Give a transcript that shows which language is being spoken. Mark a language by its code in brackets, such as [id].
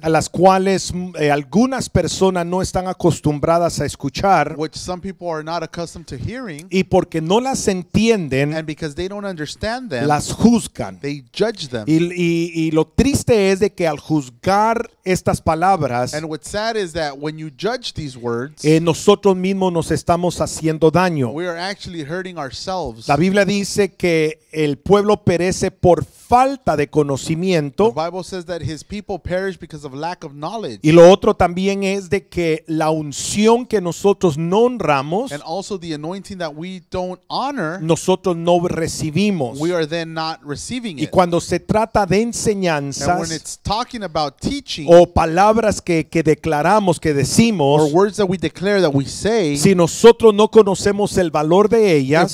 [es] a las cuales algunas personas no están acostumbradas a escuchar [en] which some people are not accustomed to hearing, [es] y porque no las entienden [en] and because they don't understand them, [es] las juzgan. [en] They judge them. [es] Y lo triste es de que al juzgar estas palabras [en] and what's sad is that when you judge these words, [es] nosotros mismos nos estamos haciendo daño. [en] We are actually hurting ourselves. [es] La Biblia dice que el pueblo perece por falta de conocimiento. [en] The Bible says that his people perish because of lack of knowledge. [es] Y lo otro también es de que la unción que nosotros no honramos, [en] and also the anointing that we don't honor, [es] nosotros no recibimos. [en] We are then not receiving it. [es] Y cuando se trata de enseñanzas, [en] and when it's talking about teaching, [es] o palabras que declaramos, que decimos, [en] or words that we declare that we say, [es] si nosotros no conocemos el valor de ellas,